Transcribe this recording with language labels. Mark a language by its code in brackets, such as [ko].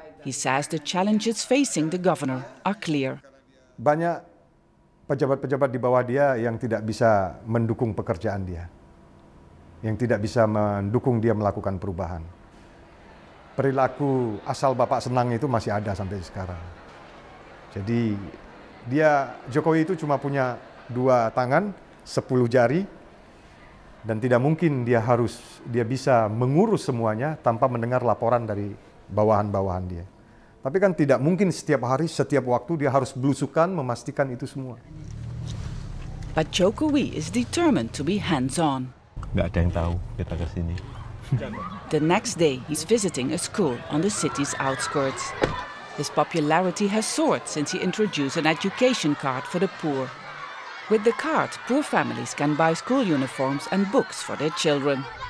[en] He says the challenges facing the governor are clear. [id] Banyak pejabat-pejabat di bawah dia yang tidak bisa mendukung pekerjaan dia, yang tidak bisa mendukung dia melakukan perubahan. Perilaku asal bapak senang itu masih ada sampai sekarang. Jadi dia, Jokowi itu cuma punya 2 tangan, 10 jari, dan tidak mungkin dia bisa mengurus semuanya tanpa mendengar laporan dari bawahan-bawahan dia. Tapi kan tidak mungkin setiap hari, setiap waktu dia harus belusukan, memastikan itu semua. [en] But Jokowi is determined to be hands-on. [id] Nggak ada yang tahu kita ke sini. [en] The next day, he's visiting a school on the city's outskirts. His popularity has soared since he introduced an education card for the poor. With the card, poor families can buy school uniforms and books for their children.